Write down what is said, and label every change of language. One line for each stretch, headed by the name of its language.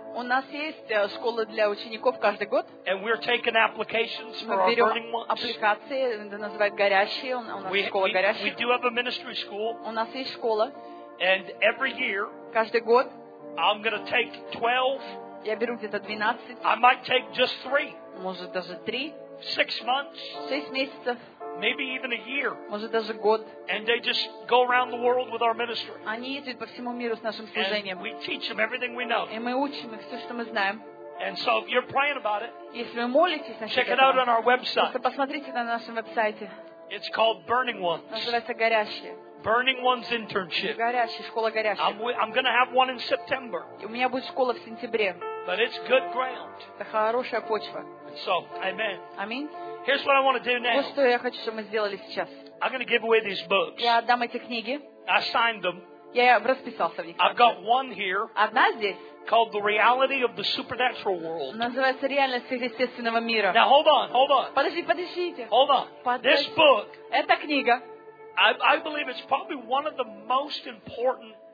Russian: У нас есть школа для учеников каждый год.
English: And we're taking applications for our Burning Ones.
Russian: Аппликации, это называют горящие. У нас школа горящая.
English: We do have a ministry school.
Russian: У нас есть школа.
English: And every year,
Russian: каждый год,
English: I'm going to take 12.
Russian: Я беру где-то 12.
English: I might take just 3.
Russian: Может даже 3.
English: 6 months.
Russian: 6 месяцев.
English: Maybe even a year.
Russian: Может даже год.
English: And they just go around the world with our ministry.
Russian: Они ездят по всему миру с нашим служением.
English: And we teach them everything we know.
Russian: И мы учим их все, что мы знаем.
English: And so if you're praying about it,
Russian: если вы молитесь, значит,
English: check it out on our website.
Russian: Просто посмотрите на нашем веб-сайте.
English: It's called Burning Ones.
Russian: Называется горящие.
English: Burning Ones internship.
Russian: Горящие, школа горящие.
English: I'm going to have one in September.
Russian: У меня будет школа в сентябре.
English: But it's good ground.
Russian: Это хорошая почва.
English: So, amen.
Russian: Аминь.
English: Here's what I want to do now.
Russian: Вот что я хочу, чтобы мы сделали сейчас.
English: I'm going to give away these books.
Russian: Я отдам эти книги.
English: I signed them.
Russian: Я расписался в них.
English: I've got one here.
Russian: Одна здесь.
English: Called The Reality of the Supernatural World.
Russian: Называется «Реальность сверхъестественного мира».
English: Now hold on.
Russian: Подождите.
English: Hold on. This book.
Russian: Эта книга.
English: I believe it's probably one of the most important